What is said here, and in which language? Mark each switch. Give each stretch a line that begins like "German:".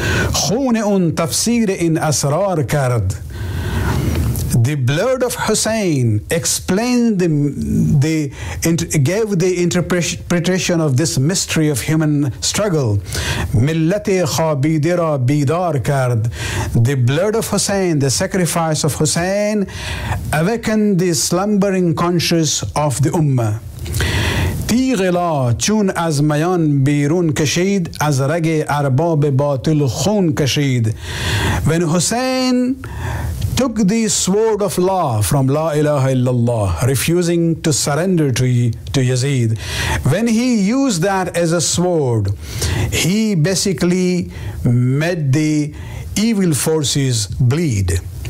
Persian: خون اون تفسیر این اسرار کرد.
English: The blood of Hussein explained gave the interpretation of this mystery of human struggle.
Persian: ملت خابید را بیدار کرد.
English: The blood of Hussein, the sacrifice of Hussein, awakened the slumbering conscience of the ummah.
Persian: تیغ لا چون از میان بیرون کشید از رگ ارباب باطل خون کشید.
English: When Hussein took the sword of La from La ilaha illallah, refusing to surrender to Yazid, when he used that as a sword, he basically made the evil forces bleed.